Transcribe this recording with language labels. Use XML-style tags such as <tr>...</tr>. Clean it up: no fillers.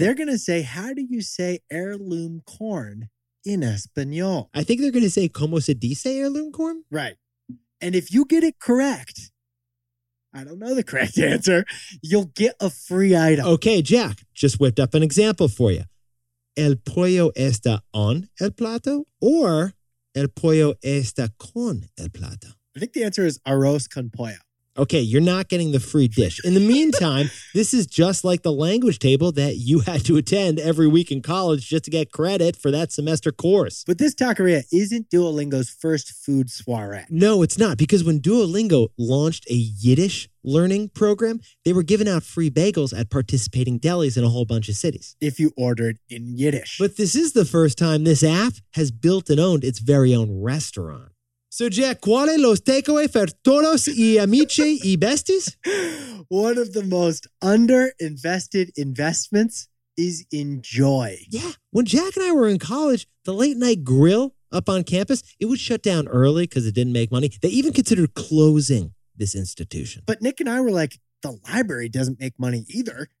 <en>They're going to say, how do you say heirloom corn in Espanol? I think they're going to say,</en> <es>¿cómo se dice</es> <en>heirloom corn? Right. And if you get it correct, I don't know the correct answer, you'll get a free item. Okay, Jack, just whipped up an example for you.</en> <es>El pollo está on el plato</es> <en>or</en> <es>el pollo está con el plato?</es> <en>I think the answer is arroz con pollo. Okay, you're not getting the free dish. In the meantime, this is just like the language table that you had to attend every week in college just to get credit for that semester course. But this taqueria isn't Duolingo's first food soiree. No, it's not, because when Duolingo launched a Yiddish learning program, they were giving out free bagels at participating delis in a whole bunch of cities. If you ordered in Yiddish. But this is the first time this app has built and owned its very own restaurant. So,</en> <es>Jack, ¿cuáles los</es> <en>takeaway for</en> <es>todos y</es> <it>amici</it> <es>y</es> <en>besties? One of the most underinvested investments is in joy. Yeah. When Jack and I were in college, the late night grill up on campus, it would shut down early because it didn't make money. They even considered closing this institution. But Nick and I were like, the library doesn't make money either.</en>